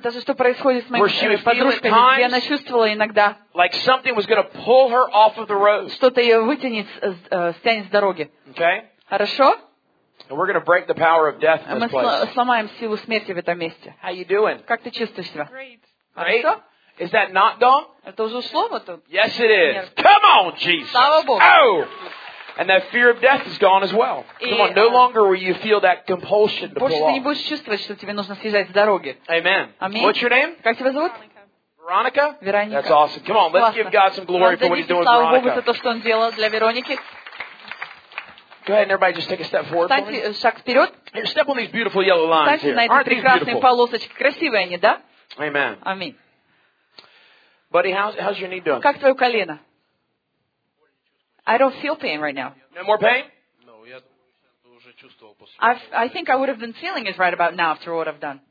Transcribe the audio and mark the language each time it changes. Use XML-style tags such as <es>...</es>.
<ru>даже что происходит с моей подружкой, где она чувствовала иногда,</ru> <en>like something was gonna pull her off of the road.</en> <ru>Что-то ее вытянет, стянет с дороги.</ru> <en>Okay.</en> <ru>Хорошо?</ru> <en>And we're gonna break the power of death in this place.</en> <ru>Мы сломаем силу смерти в этом месте.</ru> <en>How you doing?</en> <ru>Как ты чувствуешь себя?</ru> <en>Great.</en> <ru>Хорошо?</ru> <en>Is that not dumb?</en> <ru>Это уже слово то?</ru> <en>Yes, it is. Come on, Jesus.</en> <ru>Слава Богу. Oh!</ru> <en>And that fear of death is gone as well. Come on, no longer will you feel that compulsion to pull off.</en> <ru>Больше ты не будешь чувствовать, что тебе нужно съезжать с дороги.</ru> <en>Amen.</en> <ru>Аминь.</ru> <en>What's your name?</en> <ru>Как тебя зовут? Вероника. Вероника.</ru> <en>That's awesome. Come on, let's give God some glory for what He's doing,</en> <ru>Вероника. Слава Богу за то, что Он делал для Вероники.</ru> <en>Go ahead and everybody just take a step forward.</en> <ru>Встаньте, шаг вперед.</ru> <en>Here, step on these beautiful yellow lines here.</en> <ru>Встаньте на эти прекрасные полосочки. Красивые они, да?</ru> <en>Amen.</en> <ru>Аминь.</ru> <en>Buddy, how's your knee doing?</en> <ru>Как твое колено?</ru> <en>I don't feel pain right now. No more pain?</en> <ru>No, я уже чувствовал после.</ru> <en>I think I would have been feeling it right about now after what I've done.</en>